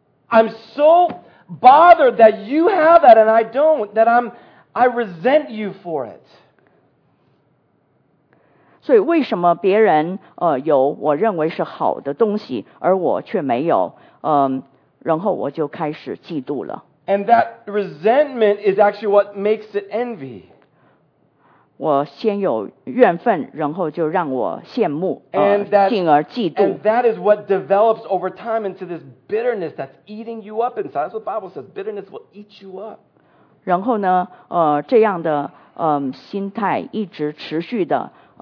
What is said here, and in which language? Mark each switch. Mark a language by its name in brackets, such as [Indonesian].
[English] I'm so bothered that you have that and I don't, that I resent you for it. [Chinese] 所以为什么别人有我认为是好的东西，而我却没有？然后我就开始嫉妒了。 [English] And that resentment is actually what makes it envy. [Chinese] 我先有怨愤，然后就让我羡慕，进而嫉妒。 [English] And that is what develops over time into this bitterness that's eating you up inside. That's what the Bible says. Bitterness will eat you up. [Chinese] 然后呢，这样的心态一直持续的。